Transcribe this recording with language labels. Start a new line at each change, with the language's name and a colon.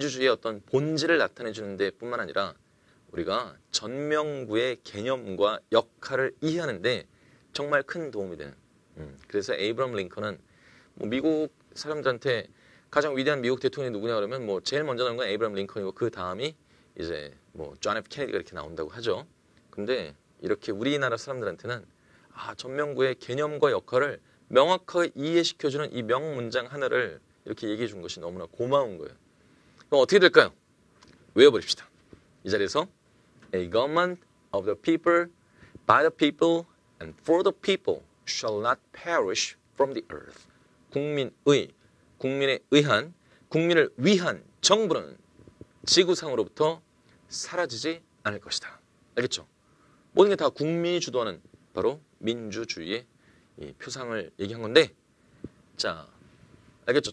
Korean: 어떤 본질을 나타내주는 데 뿐만 아니라 우리가 전명구의 개념과 역할을 이해하는 데 정말 큰 도움이 되는 그래서 에이브럼 링컨은 뭐 미국 사람들한테 가장 위대한 미국 대통령이 누구냐 그러면 뭐 제일 먼저 나온 건 에이브럼 링컨이고 그 다음이 이제 뭐 존 F. 케네디가 이렇게 나온다고 하죠. 근데 이렇게 우리나라 사람들한테는 아, 전명구의 개념과 역할을 명확하게 이해시켜주는 이 명문장 하나를 이렇게 얘기해 준 것이 너무나 고마운 거예요. 그럼 어떻게 될까요? 외워버립시다. 이 자리에서
English: A government of the people, by the people, and for the people shall not perish from the earth.
Korean: 국민의, 국민에 의한, 국민을 위한 정부는 지구상으로부터 사라지지 않을 것이다. 알겠죠? 모든 게 다 국민이 주도하는 바로 민주주의의 이 표상을 얘기한 건데 자, 알겠죠?